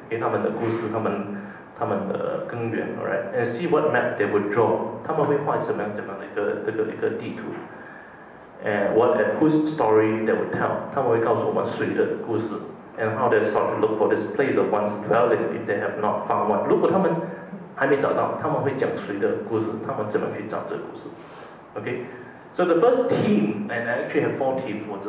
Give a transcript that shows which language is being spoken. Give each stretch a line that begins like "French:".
Chinese: 他们的故事，他们的根源,
English: alright, and see what map they would draw.
Chinese: 他们会画什么样的一个地图,
English: and what and whose story they would tell.
Chinese: 他们会告诉我们谁的故事,
English: and how they start to look for this place of one's dwelling if they have not found one.
Chinese: 如果他们还没找到, 他们会讲谁的故事, 他们怎么去找这个故事.
English: Okay, so the first theme, and I actually have four themes.